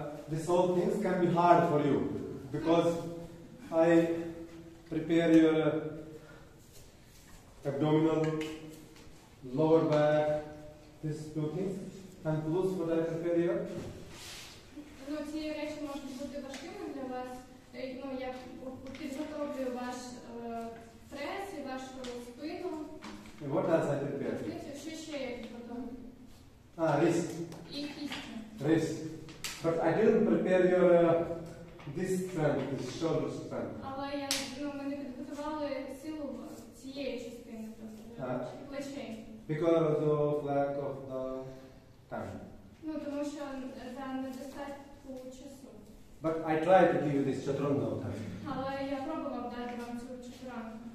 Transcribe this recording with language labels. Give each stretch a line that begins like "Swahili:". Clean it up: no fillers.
English: These all things can be hard for you because I prepare your abdominal, lower back, these two things, and plus what I prepare you.
Ukrainian: Ну, ці речі можуть бути важкими для вас. Ну, я підготовлю ваш прес і вашу спину.
English: І what else I prepare?
Ukrainian: Що ще я підготовлю? А, ріс. І кістю.
English: Yes, but I didn't prepare your this strength, this shoulder strength.
Ukrainian: Але я, ну, ми не підготували силу цієї частини, плечей.
English: Because of lack of the time.
Ukrainian: Ну, тому що там недостатньо часу.
English: But I tried to give you this chaturanga time.
Ukrainian: Але я пробував дати вам цю чатурангу.